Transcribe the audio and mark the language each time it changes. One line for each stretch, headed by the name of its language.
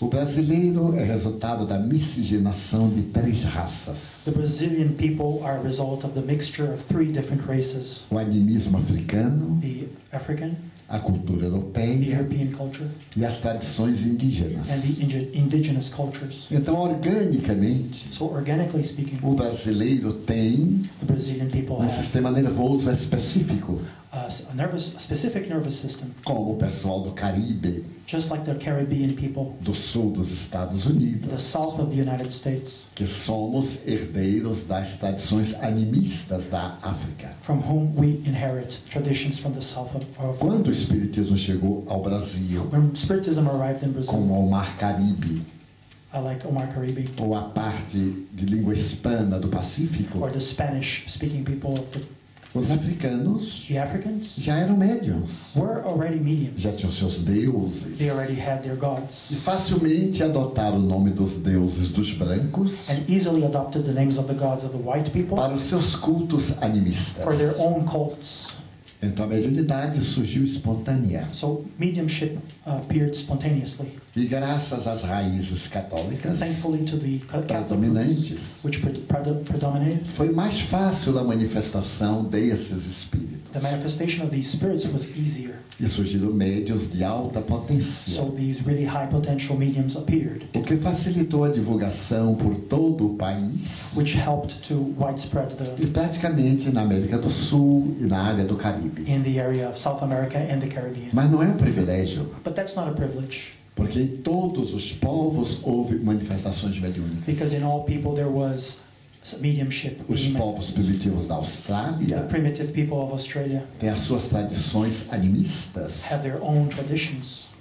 Portuguese: O brasileiro é resultado da miscigenação de três raças.
English: The Brazilian people are a result of the mixture of three different races.
Portuguese: O animismo africano.
English: The African.
Portuguese: A cultura europeia.
English: The European culture.
Portuguese: E as tradições indígenas.
English: And the indigenous cultures.
Portuguese: Então, organicamente.
English: So, organically speaking.
Portuguese: O brasileiro tem.
English: The Brazilian people have.
Portuguese: Um sistema nervoso específico.
English: A specific nervous system.
Portuguese: Como o pessoal do Caribe.
English: Just like the Caribbean people.
Portuguese: Do sul dos Estados Unidos.
English: The south of the United States.
Portuguese: Que somos herdeiros das tradições animistas da África.
English: From whom we inherit traditions from the south of
Portuguese: Africa. Quando o espiritismo chegou ao Brasil.
English: When spiritism arrived in Brazil.
Portuguese: Como o mar Caribe.
English: Like Omar Caribe.
Portuguese: Ou a parte de língua hispana do Pacífico.
English: Or the Spanish speaking people of the
Portuguese: Os africanos
English: the Africans
Portuguese: já eram médiuns.
English: Were already mediums.
Portuguese: Já tinham seus deuses.
English: They already had their gods.
Portuguese: E facilmente adotaram o nome dos deuses dos brancos.
English: And easily adopted the names of the gods of the white people.
Portuguese: Para os seus cultos animistas.
English: For their own cults.
Portuguese: Então a mediunidade surgiu espontânea.
English: So mediumship appeared spontaneously.
Portuguese: E graças às raízes católicas,
English: thankfully to the
Portuguese: predominantes,
English: which predominated,
Portuguese: foi mais fácil a manifestação desses espíritos.
English: The manifestation of these spirits was easier.
Portuguese: E surgiram médiuns de alta potência.
English: So these really high potential mediums appeared.
Portuguese: O que facilitou a divulgação por todo o país.
English: Which helped to widespread the.
Portuguese: E praticamente na América do Sul e na área do Caribe.
English: In the area of South America and the Caribbean.
Portuguese: Mas não é um privilégio.
English: But that's not a privilege.
Portuguese: Porque em todos os povos houve manifestações mediúnicas.
English: Because in all people there was mediumship.
Portuguese: Os povos primitivos da Austrália.
English: The primitive people of Australia.
Portuguese: Têm as suas tradições animistas.
English: Have their own traditions.